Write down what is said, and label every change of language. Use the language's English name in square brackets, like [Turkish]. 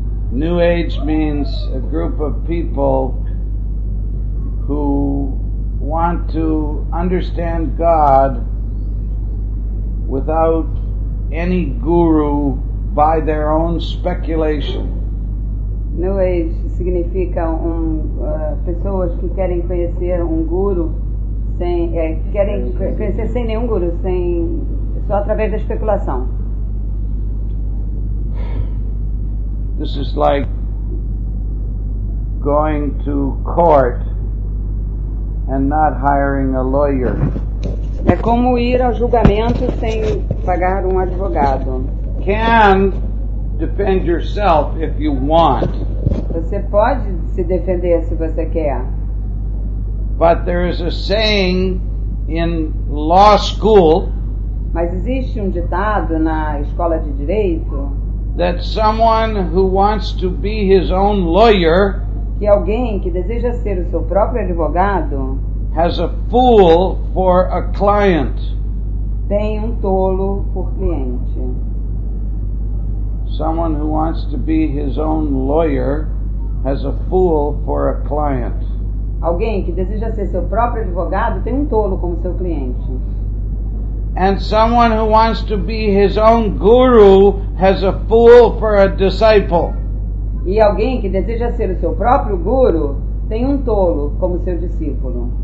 [English] New age means a group of people who want to understand God without any guru by their own speculation. [Portuguese] New age significa pessoas que querem conhecer um guru sem querem conhecer sem nenhum guru, sem só através da especulação. [English] This is like going to court and not hiring a lawyer. [Portuguese] É como ir ao julgamento sem pagar advogado. [English] Can defend yourself if you want. [Portuguese] Você pode se defender se você quer. [English] But there is a saying in law school. [Portuguese] Mas existe ditado na escola de direito. [English] That someone who wants to be his own lawyer. [Portuguese] Que alguém que deseja ser o seu próprio advogado. [English] Has a fool for a client. [Portuguese] Tem tolo por cliente. [English] Someone who wants to be his own lawyer has a fool for a client. [Portuguese] Alguém que deseja ser seu próprio advogado tem tolo como seu cliente. [English] And someone who wants to be his own guru has a fool for a disciple. [Portuguese] E alguém que deseja ser o seu próprio guru tem tolo como seu discípulo.